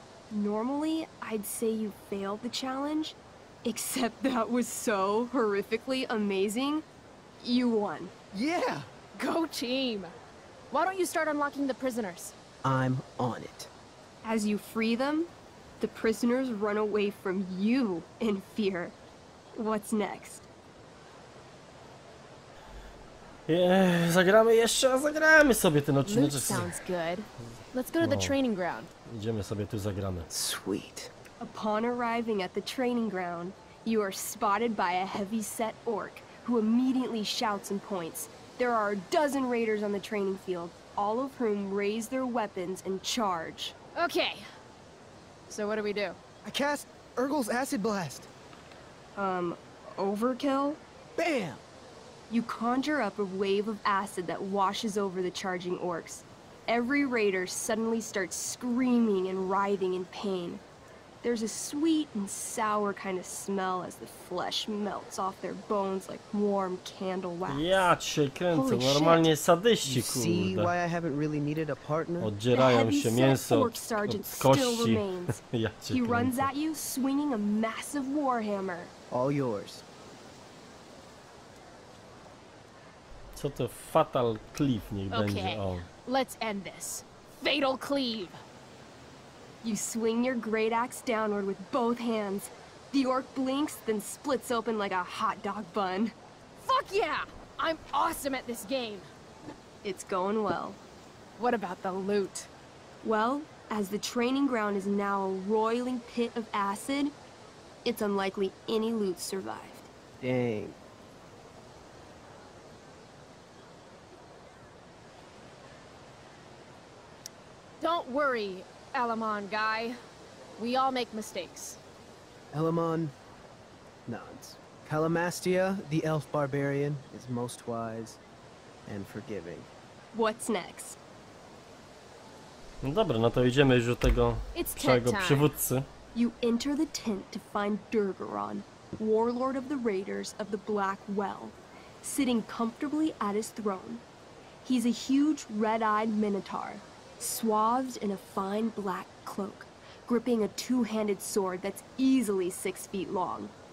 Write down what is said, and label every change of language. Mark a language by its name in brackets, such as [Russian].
[English] Normally, I'd say you failed the challenge. Except that was so horrifically amazing. You won. Yeah! Go team! Why don't you start unlocking the prisoners? I'm on it. As you free them, the prisoners run away from you in fear. What's next? [Polish] Zagramy jeszcze, zagramy sobie ten odcinek. [English] Sounds good. Let's go to the training ground. [Polish] Idziemy sobie tu zagramy. [English] Sweet. Upon arriving at the training ground, you are spotted by a heavy-set orc who immediately shouts and points. There are a dozen raiders on the training field, all of whom raise their weapons and charge. Okay. So what do we do? I cast Urgul's Acid Blast. Overkill? Bam! You conjure up a wave of acid that washes over the charging orcs. Every raider suddenly starts screaming and writhing in pain. There's a sweet and sour kind of smell as the flesh melts off their bones like warm candle wax. [Polish] Ja cię kręcę, normalnie sadyści, kurde. [English] See why I haven't really needed a partner? [Polish] Oddzierają się mięso od kości. Ja cię kręcę. [English] He runs at you, swinging a massive warhammer. All yours. [Polish] Co to fatal cleave niech będzie? [English] Okay, let's end this. Fatal cleave. You swing your great axe downward with both hands. The orc blinks, then splits open like a hot dog bun. Fuck yeah! I'm awesome at this game! It's going well. What about the loot? Well, as the training ground is now a roiling pit of acid, it's unlikely any loot survived. Dang. Don't worry. Elamon guy, we all make mistakes. Elamon nods. Calamastia, the elf barbarian, is most wise and forgiving. What's next? [Polish] No dobra, no to idziemy już do tego całego przywódcy. [English] You enter the tent to find Durgaron, warlord of the raiders of the Black Well, sitting comfortably at his throne. He's a huge red-eyed minotaur, swathed in a fine black cloak, gripping a two-handed sword that's easily 6 feet long.